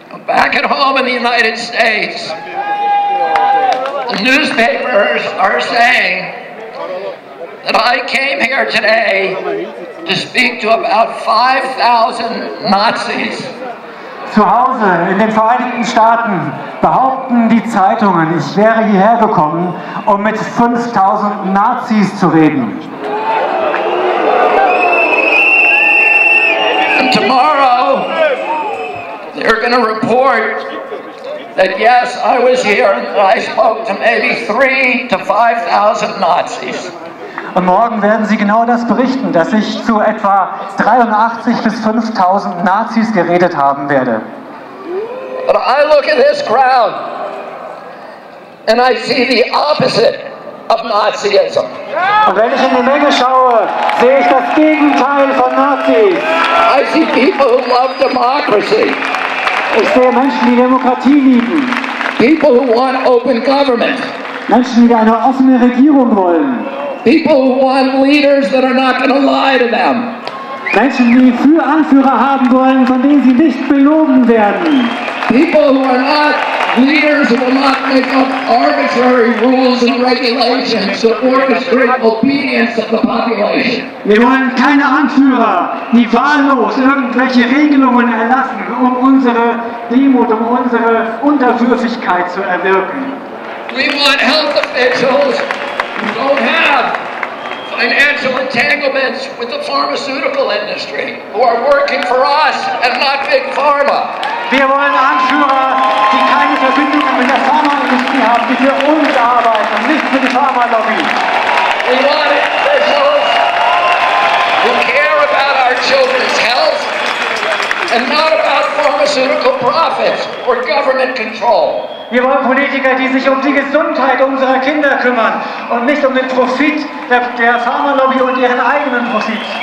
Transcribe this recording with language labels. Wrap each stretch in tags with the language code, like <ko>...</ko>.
<en>Back at home in the United States, the newspapers are saying that I came here today to speak to about 5,000 Nazis</en> <de>Zu Hause in den Vereinigten Staaten behaupten die Zeitungen, ich wäre hierher gekommen, um mit 5000 Nazis zu reden.</de> <en>And tomorrow, they're going to report that yes, I was here and I spoke to maybe 3,000 to 5,000 Nazis.</en> <de>Und morgen werden sie genau das berichten, dass ich zu etwa 83 bis 5000 Nazis geredet haben werde.</de> <en>But I look at this crowd and I see the opposite of Nazism.</en> <de>Und wenn ich in die Menge schaue, sehe ich das Gegenteil von Nazis.</de> <en>I see people who love democracy.</en> <de>Ich sehe Menschen, die Demokratie lieben.</de> <en>People who want open government.</en> <de>Menschen, die eine offene Regierung wollen.</de> <en>People who want leaders that are not going to lie to them.</en> <de>Menschen, die für Anführer haben wollen, von denen sie nicht belogen werden.</de> <en>People who are not leaders who will not make up arbitrary rules and regulations to orchestrate obedience of the population.</en> <de>Wir wollen keine Anführer, die wahllos irgendwelche Regelungen erlassen, um unsere Demut, um unsere Unterwürfigkeit zu erwirken.</de> <en>We want health officials who don't have financial entanglements with the pharmaceutical industry, who are working for us and not Big Pharma.</en> <de>Wir wollen Anführer, die keine Verbindungen mit der Pharmaindustrie haben, die für uns arbeiten, nicht für die Pharma-Lobby.</de> <en>We want officials who care about our children's health and not about pharmaceutical profits or government control.</en> <de>Wir wollen Politiker, die sich um die Gesundheit unserer Kinder kümmern und nicht um den Profit der Pharma-Lobby und ihren eigenen Profit.</de>